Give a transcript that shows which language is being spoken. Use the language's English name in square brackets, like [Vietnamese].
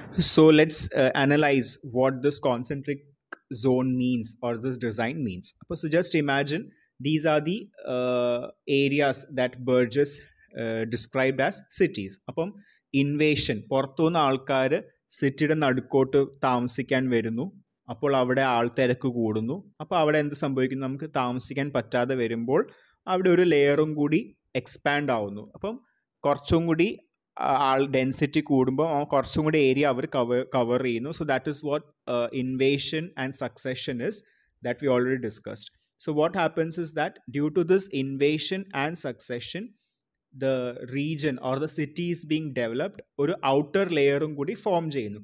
[English] So let's analyze what this concentric zone means or this design means. appo so just imagine these are the areas that Burgess described as cities. [Malayalam] appo invasion, പുറത്തു നിന്ന് ആൾക്കാർ സിറ്റിയുടെ നടുക്കോട്ട് താമസിക്കാൻ വരുന്നു, അപ്പോൾ അവിടെ ആൾത്തിരക്ക് കൂടുന്നു. അപ്പോൾ അവിടെ എന്ത് സംഭവിക്കുന്നു, നമുക്ക് താമസിക്കാൻ പറ്റാതെ വരുമ്പോൾ അവിടെ ഒരു ലെയറും കൂടി എക്സ്പാൻഡ് ആവുന്നു. അപ്പം കുറച്ചും കൂടി ആൾ ഡെൻസിറ്റി കൂടുമ്പോൾ ആ കുറച്ചും കൂടി ഏരിയ അവർ കവർ ചെയ്യുന്നു. [English] So that is what invasion and succession is that we already discussed. So what happens is that due to this invasion and succession the region or the city is being developed, [Malayalam] oru outer layerum kudi form cheyunu.